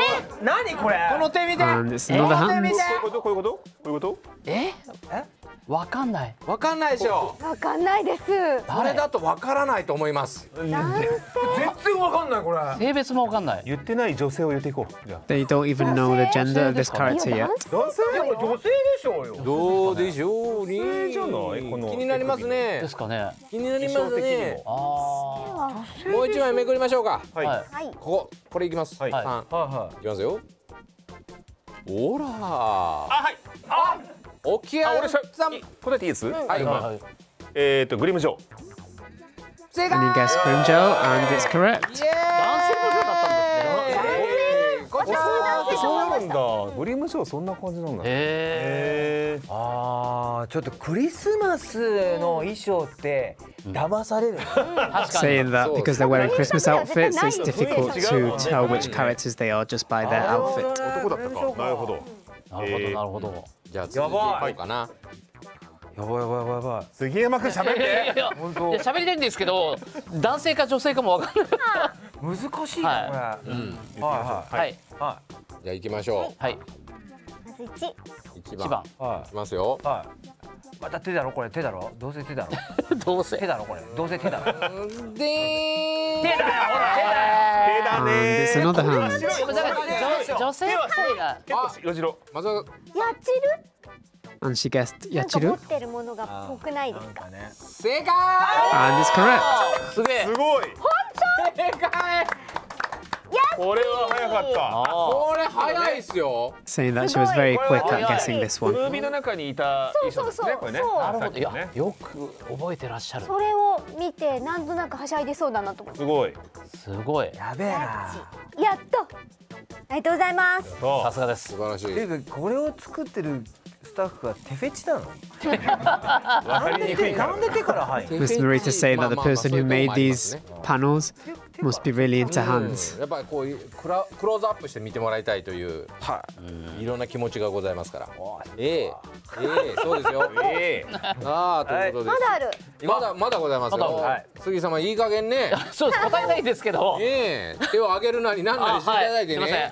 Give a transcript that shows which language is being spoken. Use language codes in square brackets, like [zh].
[ja] え？何これ？この手見て。なんです。この手見て。こういうこと？こういうこと？え？え？わかんない。わかんないでしょ。わかんないです。誰だとわからないと思います。男性。全然わかんないこれ。性別もわかんない。言ってない女性を言っていこう。 [en] They don't even know the gender of this character yet。 [ja] 男性？やっぱ女性でしょうよ。どうでしょうに。女性じゃない？この気になりますね。ですかね。気になりますね。ああ。もう一枚めくりましょうか。はい。はい。これいきます。はい。 3。はいはい。いきますよ。オラー。あ、はい。あ。オキアさん、答えていいです？はい、はい、グリムジョー。 正解。 [en] Any guess グリムジョー and it's correct。 [ja] 男性の方だったんですね。男性、こちら。そうなんだ。グリムジョーそんな感じなんだ。へえ。ああ、ちょっとクリスマスの衣装って騙される。 [en] Saying that because they're wearing Christmas outfits, it's difficult to tell which characters they are just by their outfit。 [ja] 男だったか。なるほど。なるほど、じゃあ続いていこうかな。やばいやばいやばい、杉山くん喋って。いや喋りたいんですけど、男性か女性かも分かんない。難しいな、これ。はいはいはい、じゃあ行きましょう。はい、まず1、 1番、行きますよ。はい、また手だろこれ。手だろ、どうせ手だろ。どうせ手だろこれ、どうせ手だろ。でーん、手だよ、ほら手だ。手だねー。女性かいが結構よじろ。まずやちる。 [en] アンシーゲスト、やちる。 [ja] 持ってるものがっぽくないですか。正解。 [en] アンディスコレクト。 [ja] すげえ、すごい、ほんと正解。やっ、これは早かった。これ早いっすよ。 [en] Saying that she was very quick at guessing this one。 [ja] ムービーの中にいた衣装ですね、これね。なるほど、よく覚えてらっしゃる。それを見て、なんとなくはしゃいでそうだなと思って。すごいすごい、やべえな。やっと、ありがとうございます。さすがです、素晴らしい。これを作ってるスタッフは手フェチなの？わかりにくいから。なんで手から入る？ [en] Miss Marie to say that the person who made these panels must be really into hands。 [ja] やっぱりこうクローズアップして見てもらいたいという、はい、いろんな気持ちがございますから。そうですよ。あー、ということです。まだある。まだございますよ。杉様、いい加減ね。そうです、答えないですけど。手を挙げるなり何なりしていただいてね。